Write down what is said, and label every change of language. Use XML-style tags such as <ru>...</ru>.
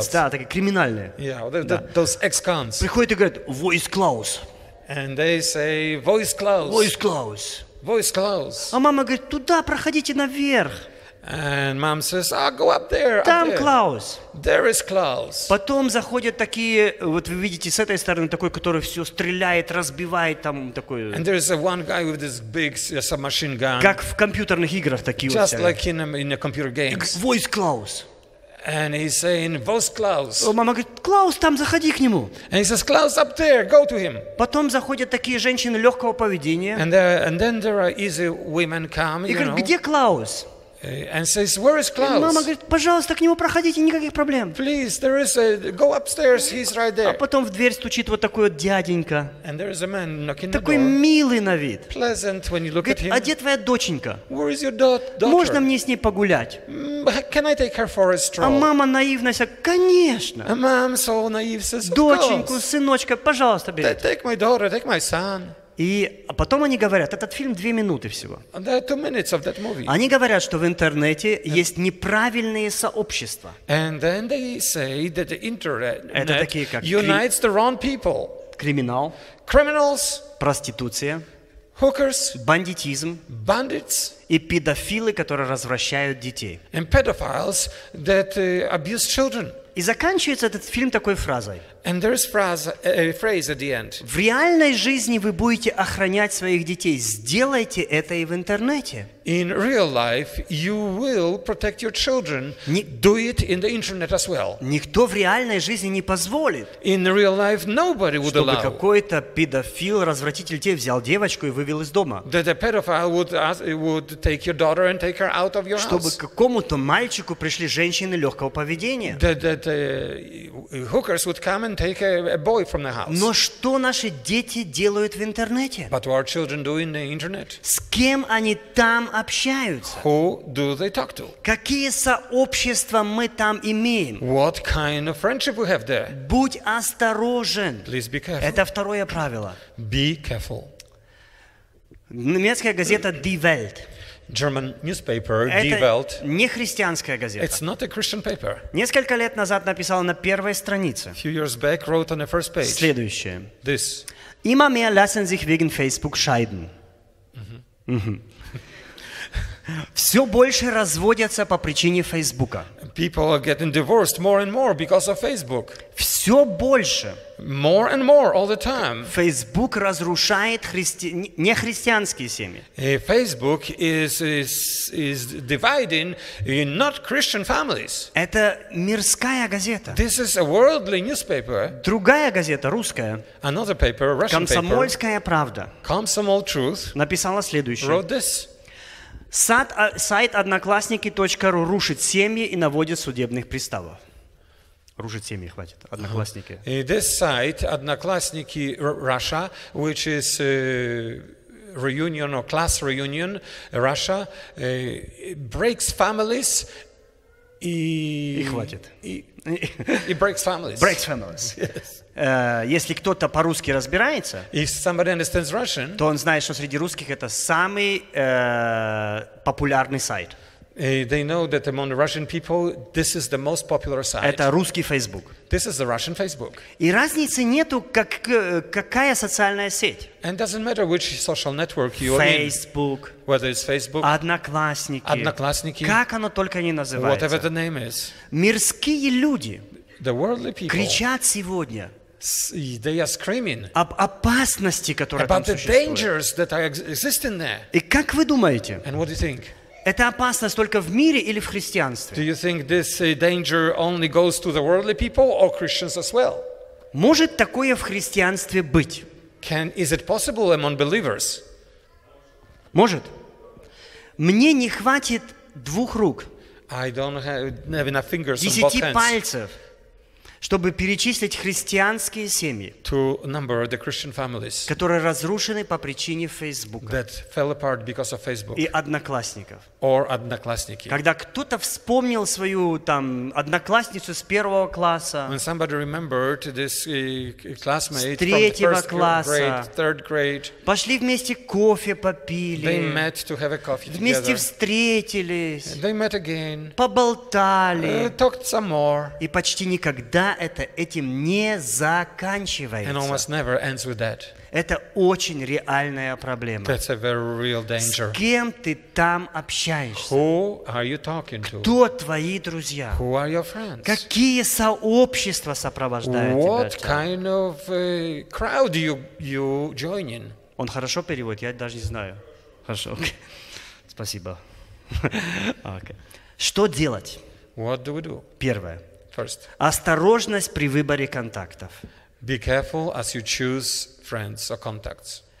<ru>Skinheads, да, такие криминальные.</ru> <en>Yeah, those ex-cons.</en> <ru>Приходят и говорят,</ru> <de>Wo ist Klaus?</de> <en>And they say,</en> <de>Wo ist Klaus? Wo ist Klaus? Wo ist Klaus?</de> <ru>А мама говорит, туда, проходите наверх.</ru> <en>And mom says, "I'll go up there."</en> <ru>Там Клаус.</ru> <en>There is Klaus.</en> <ru>Потом заходят такие, вот вы видите с этой стороны такой, который все стреляет, разбивает там такой.</ru> <en>And there is one guy with this big submachine gun.</en> <ru>Как в компьютерных играх такие.</ru> <en>Just like in a computer games.</en> <de>Wo ist Klaus?</de> <en>And he's saying,</en> <de>"Wo ist Klaus?"</de> <ru>Мама говорит, Клаус там, заходи к нему.</ru> <en>And he says, "Klaus up there, go to him."</en> <ru>Потом заходят такие женщины легкого поведения.</ru> <en>And then there are easy women come.</en> <ru>И говорят, где Клаус?</ru> <en>And says, "Where is Klaus?"</en> <ru>И мама говорит, пожалуйста, к нему проходите, никаких проблем.</ru> <en>Please, there is a go upstairs. He's right there.</en> <ru>А потом в дверь стучит вот такой вот дяденька.</ru> <en>And there is a man knocking.</en> <ru>Такой милый на вид.</ru> <en>Pleasant when you look</en> <ru>говорит,</ru> <en>at him.</en> <ru>А где твоя доченька?</ru> <en>Where is your daughter?</en> <ru>Можно мне с ней погулять?</ru> <en>Can I take her for a stroll?</en> <ru>А мама наивно говорит, конечно.</ru> <en>A mom so naive says, of</en> <ru>доченьку,</ru> <en>course.</en> <ru>Сыночка, пожалуйста, бери.</ru> <en>Take my daughter, take my son.</en> <ru>И потом они говорят, этот фильм две минуты всего. Они говорят, что в интернете есть неправильные сообщества. Это такие как криминал, проституция,</ru> <en>hookers,</en> <ru>бандитизм,</ru> <en>bandits,</en> <ru>и педофилы, которые развращают детей.</ru> <en>And pedophiles that abuse children.</en> <ru>И заканчивается этот фильм такой фразой.</ru> <en>And there's a phrase at the end.</en> <ru>В реальной жизни вы будете охранять своих детей. Сделайте это и в интернете.</ru> <en>In real life, you will protect your children. Do it in the internet as well.</en> <ru>Никто в реальной жизни не позволит.</ru> <en>In real life, nobody would allow.</en> <ru>Чтобы какой-то педофил, развратитель тебя взял девочку и вывел из дома.</ru> <en>That a pedophile would take your daughter and take her out of your house.</en> <ru>Чтобы к какому-то мальчику пришли женщины легкого поведения.</ru> <en>That hookers would come and take a boy from the house.</en> <ru>Но что наши дети делают в интернете?</ru> <en>But what our children do in the internet?</en> <ru>С кем они там общаются?</ru> <en>Who do they talk to?</en> <ru>Какие сообщества мы там имеем?</ru> <en>What kind of friendship we have there?</en> <ru>Будь осторожен.</ru> <en>Please be careful.</en> <ru>Это второе правило.</ru> <en>Be careful.</en> <ru>Немецкая газета Die Welt.</ru> <en>German newspaper Die Welt.</en> <ru>Это не христианская газета.</ru> <en>It's not a Christian paper.</en> <ru>Несколько лет назад написала на первой странице.</ru> <en>Few years back wrote on the first page.</en> <ru>Следующее.</ru> <en>This.</en> <de>Immer mehr lassen sich wegen Facebook scheiden.</de> <ru>Все больше разводятся по причине Фейсбука.</ru> <en>People are getting divorced more and more because of Facebook.</en> <ru>Все больше.</ru> <en>More and more all the time.</en> <ru>Facebook разрушает нехристианские семьи.</ru> <en>Facebook is dividing not Christian families.</en> <ru>Это мирская газета.</ru> <en>This is a worldly newspaper.</en> <ru>Другая газета, русская.</ru> <en>Another paper, Russian paper.</en> <ru>Комсомольская правда.</ru> <en>Komsomol Truth.</en> <ru>Написала следующее.</ru> <en>Wrote this.</en> <ru>Сайт Одноклассники.ру рушит семьи и наводит судебных приставов. Рушит семьи, хватит. Одноклассники.</ru> <en>И this site Одноклассники Russia, which is reunion or class reunion Russia, breaks families.</en> <ru>И хватит.</ru> <en>И breaks families. Breaks families. Yes.</en> <ru>Если кто-то по-русски разбирается,</ru> <en>if somebody understands Russian,</en> <ru>то он знает, что среди русских это самый популярный сайт.</ru> <en>They know that among Russian people, this is the most popular site.</en> <ru>Это русский Facebook.</ru> <en>This is the Russian Facebook.</en> <ru>И разницы нету, какая социальная сеть.</ru> <en>And doesn't matter which social network you Facebook, are in. Facebook. Whether it's Facebook.</en> <ru>Одноклассники. Одноклассники. Как оно только не называется.</ru> <en>Whatever the name is.</en> <ru>Мирские люди.</ru> <en>The worldly people.</en> <ru>Кричат сегодня.</ru> <en>They are screaming.</en> <ru>Об опасности, которая там существует.</ru> <en>About the dangers that are existing there.</en> <ru>И как вы думаете?</ru> <en>And what do you think?</en> <ru>Это опасность только в мире или в христианстве?</ru> <en>Do you think this danger only goes to the worldly people or Christians as well?</en> <ru>Может такое в христианстве быть?</ru> <en>Can is it possible among believers?</en> <ru>Может. Мне не хватит двух рук.</ru> <en>I don't have enough fingers.</en> <ru>10 пальцев, чтобы перечислить христианские семьи,</ru> <en>to number the Christian families,</en> <ru>которые разрушены по причине Фейсбука,</ru> <en>that fell apart because of Facebook,</en> <ru>и одноклассников.</ru> <en>Or одноклассники.</en> <ru>Когда кто-то вспомнил свою там одноклассницу с первого класса,</ru> <en>when somebody remembered this classmate</en> <ru>с третьего класса,</ru> <en>grade, third grade,</en> <ru>пошли вместе кофе попили,</ru> <en>they met to have a coffee together,</en> <ru>вместе встретились,</ru> <en>they met again,</en> <ru>поболтали,</ru> <en>talked some more,</en> <ru>и почти никогда это этим не заканчивается.</ru> <en>And almost never ends with that.</en> <ru>Это очень реальная проблема.</ru> <en>That's a very real danger.</en> <ru>С кем ты там общаешься?</ru> <en>Who are you talking to?</en> <ru>Кто твои друзья?</ru> <en>Who are your friends?</en> <ru>Какие сообщества сопровождают тебя?</ru> <en>What kind of crowd you join in?</en> <ru>Он хорошо переводит, я даже не знаю. Хорошо. Okay. Спасибо. Okay. Что делать?</ru> <en>What do we do?</en> <ru>Первое.</ru> <en>First.</en> <ru>Осторожность при выборе контактов.</ru> <en>Be careful as you choose friends or contacts.</en>